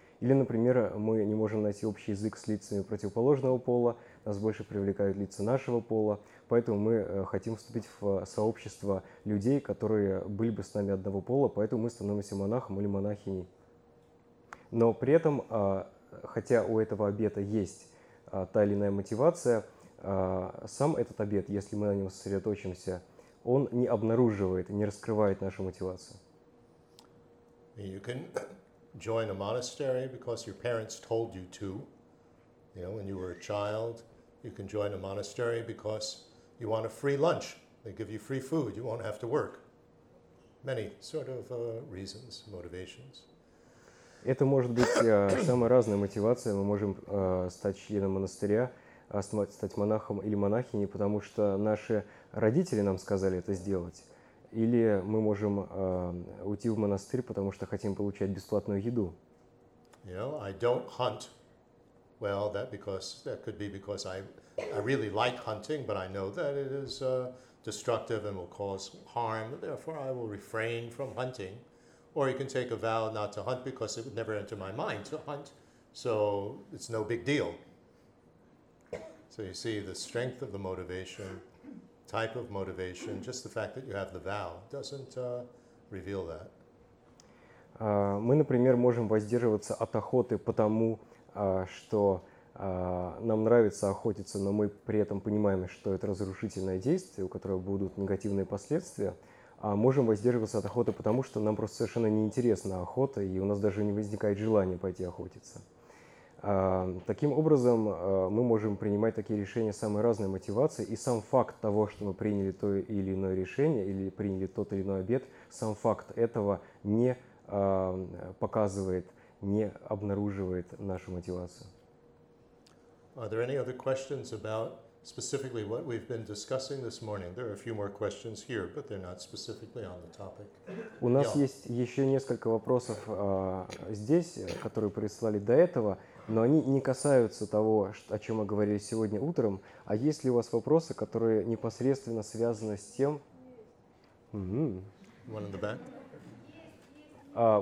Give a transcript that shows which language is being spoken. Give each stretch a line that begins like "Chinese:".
Russian: Или, например, мы не можем найти общий язык с лицами противоположного пола, нас больше привлекают лица нашего пола, поэтому мы хотим вступить в сообщество людей, которые были бы с нами одного пола, поэтому мы становимся монахом или монахиней. Но при этом, хотя у этого обета есть та или иная мотивация, сам этот обет, если мы на нем сосредоточимся, он не обнаруживает, не раскрывает нашу мотивацию.
English: You can join a monastery because your parents told you to. You know, when you were a child, you can join a monastery because you want a free lunch. They give you free food, you won't have to work. Many sort of reasons, motivations.
Russian: Это может быть самая разная мотивация. Мы можем стать членом монастыря, стать монахом или монахиней, потому что наши родители нам сказали это сделать. Или мы можем уйти в монастырь, потому что хотим получать бесплатную еду.
English: You know, I don't hunt. Well, that could be because I really like hunting, but I know that it is destructive and will cause harm. Therefore, I will refrain from hunting. Or you can take a vow not to hunt because it would never enter my mind to hunt, so it's no big deal. So you see the strength of the motivation, type of motivation, just the fact that you have the vow doesn't reveal that.
Russian: Мы, например, можем воздерживаться от охоты потому, что нам нравится охотиться, но мы при этом понимаем, что это разрушительное действие, у которого будут негативные последствия. А можем воздерживаться от охоты, потому что нам просто совершенно неинтересна охота, и у нас даже не возникает желания пойти охотиться. Таким образом, мы можем принимать такие решения самой разной мотивации, и сам факт того, что мы приняли то или иное решение, или приняли тот или иной обет, сам факт этого не показывает, не обнаруживает нашу мотивацию.
English: Are there any other questions about specifically what we've been discussing this morning? There are a few more questions here, but they're not specifically on the topic.
Russian: У нас есть еще несколько вопросов здесь, которые прислали до этого, но они не касаются того, о чем мы говорили сегодня утром. А есть ли у вас вопросы, которые непосредственно связаны с тем?
English: One in the back.